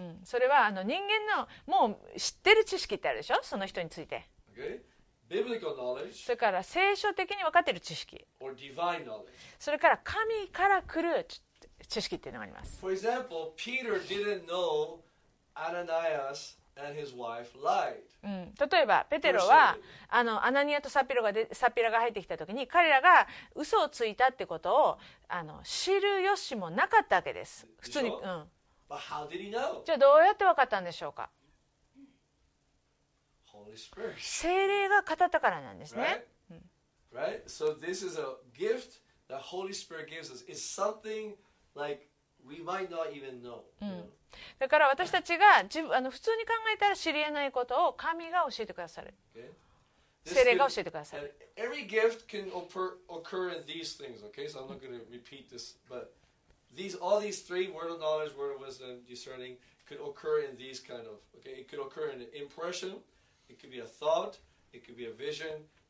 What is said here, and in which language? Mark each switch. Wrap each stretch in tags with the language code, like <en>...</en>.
<ja>うん、それはあの人間のもう知ってる知識ってあるでしょ、その人について。</ja> <en>Okay, biblical knowledge、</en> <ja>それから聖書的に分かってる知識、</ja> <en>or divine knowledge、</en> <ja>それから神から来る知識っていうのがあります。</ja> <en>For example, Peter didn't know AnaniasAnd his wife lied.</en> <ja>例えばペテロはあのアナニアとサピラが入ってきた時に彼らが嘘をついたってことをあの知る由もなかったわけです。普通に、うん、</ja> <en>But how did he know?</en> <ja>じゃあどうやって分かったんでしょうか。</ja> <en>Holy Spirit.</en> <ja>聖霊が語ったからなんですね。</ja> <en>Right? So this is a gift that Holy Spirit gives us. It's something like we might not even know.</en> <ja>だから私たちが自分あの普通に考えたら知り得ないことを神が教えてくださる、</ja> <en>okay.</en> <ja>聖霊が教えてくださる。</ja> <en>Every gift can occur in these things, okay? So I'm not going to repeat this, but these, all these three, word of knowledge, word of wisdom, discerning, could occur in these kind of, okay? It could occur in an impression, it could be a thought, it could be a vision,</en>